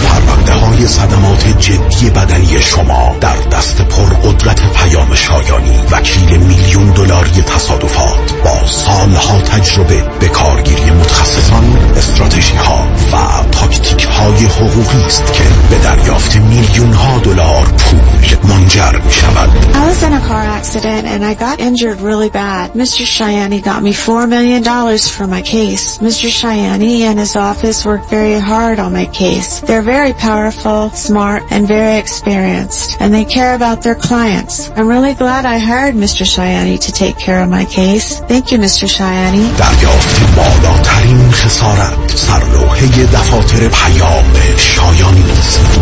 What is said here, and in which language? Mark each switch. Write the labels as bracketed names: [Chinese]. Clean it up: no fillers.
[Persian] پرونده های صدمات جدی بدنی شما در دست پرقدرت پیام شایانی، وکیل میلیون دلاری تصادفات با سالها تجربه به کارگیری متخصصان، استراتژی ها و تاکتیک های حقوقی است که به دریافت میلیون ها دلار پول منجر می شود. [English] I was in a car accident and I got injured really bad. Mr. Shayani got me $4 million for my case. Mr. Shayani and his office worked very hard on my case. They're very powerful, smart and very experienced and they care about their clients. I'm really glad I hired Mr. Shayani to take care of my case. Thank you Mr. Shayani. [Persian] دریافت بالاترین خسارت سرلوحه دفاتر پیام شایانی است.